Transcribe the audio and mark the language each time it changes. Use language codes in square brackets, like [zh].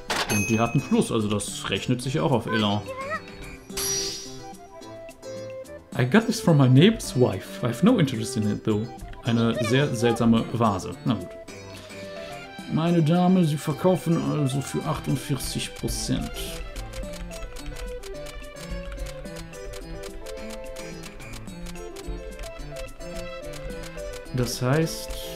[de] Und die hatten Plus, also das rechnet sich auch auf Elan. [en] I got this from my neighbor's wife. I have no interest in it though. [de] Eine sehr seltsame Vase. Na gut. Meine Dame, sie verkaufen also für 48%. Das heißt...